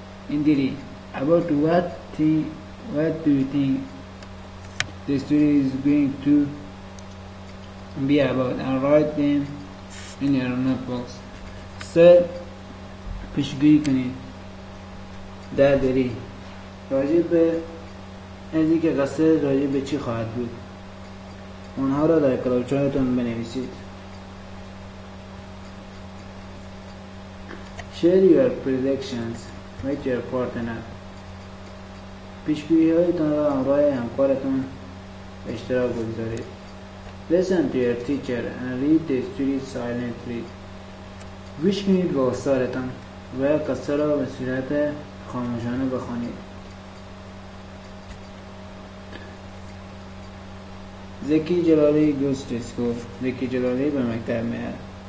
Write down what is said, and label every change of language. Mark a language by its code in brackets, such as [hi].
[en] Indeed, about what do you think the story is going to be about and write them in your notebooks. [fa] سه پیشگویی کنید. در دری راجع به از اینکه قصه راجع به چی خواهد بود اونها را در کتابچه‌تون بنویسید. [en] Share your predictions with your partner. [fa] پیشگویی‌هایتون را همراه همکارتون به اشتراک بگذارید. [en] Listen to your teacher and read the story silently. [fa] گوش کنید به استادتان و قصه را به صورت خاموشانه بخوانید. زکی جلالی [en] Goes disco. [fa] زکی جلالی به مکتب میاد.